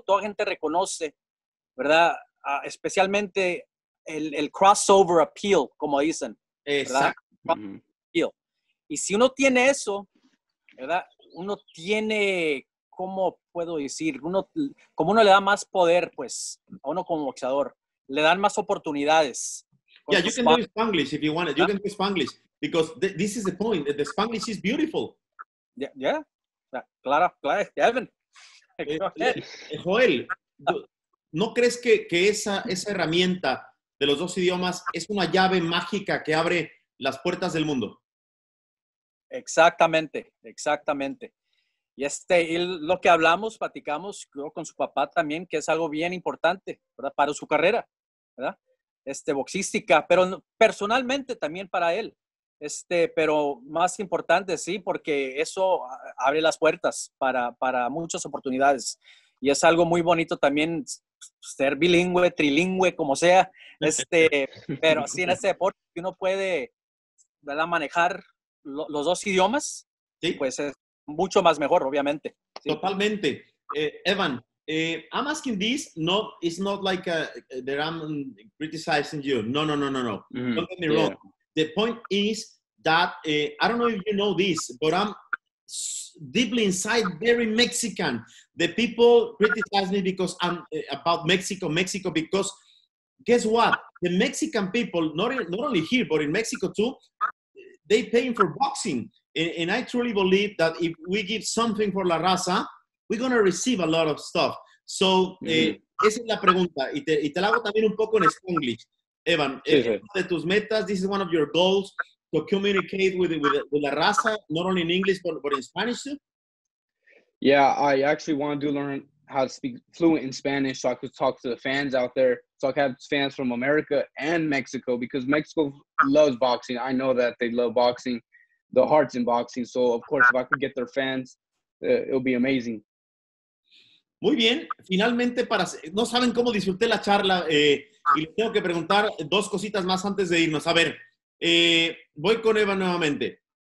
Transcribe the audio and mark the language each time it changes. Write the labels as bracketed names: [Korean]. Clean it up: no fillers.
[Spanish] Toda gente reconoce, ¿verdad? Especialmente el crossover appeal, como dicen. Exacto. Appeal. Y si uno tiene eso, ¿verdad? Uno tiene, ¿cómo puedo decir? Uno le da más poder, pues, a uno como boxeador. Le dan más oportunidades. [English] Yeah, you can do Spanglish if you want it. You can do Spanglish. Because this is the point. The Spanglish is beautiful. Yeah. Claro. Evan. [Spanish] Joel, ¿no crees que esa herramienta de los dos idiomas es una llave mágica que abre las puertas del mundo? Exactamente. Y lo que hablamos, platicamos, creo, con su papá también, que es algo bien importante, ¿verdad?, para su carrera, ¿verdad?, boxística, pero personalmente también para él. Pero más importante, sí, porque eso abre las puertas para muchas oportunidades. Y es algo muy bonito también ser bilingüe, trilingüe, como sea. pero así en ese deporte uno puede, ¿verdad?, manejar los dos idiomas, ¿sí?, pues es mucho más mejor, obviamente. ¿Sí? Totalmente. [English] Evan, I'm asking this, no, it's not like that I'm criticizing you. No. Mm-hmm. Don't get me wrong. The point is that, I don't know if you know this, but I'm deeply inside very Mexican. The people criticize me because I'm about Mexico, because guess what? The Mexican people, not only here, but in Mexico too, they paying for boxing, and I truly believe that if we give something for la raza, we're going to receive a lot of stuff. [Spanish] So, esa es la pregunta, y te la hago también un poco en Spanglish. [English] Evan, [Spanish] de tus metas, [English] this is one of your goals, to communicate with la raza, not only in English, but in Spanish too? Yeah, I actually want to learn how to speak fluent in Spanish so I could talk to the fans out there. So I have fans from America and Mexico, because Mexico loves boxing. I know that they love boxing. the hearts in boxing. So, of course, if I could get their fans, it would be amazing. [Spanish] Muy bien. Finalmente, para no saben cómo disfruté la charla, y les tengo que preguntar dos cositas más antes de irnos. A ver, voy con Evan nuevamente.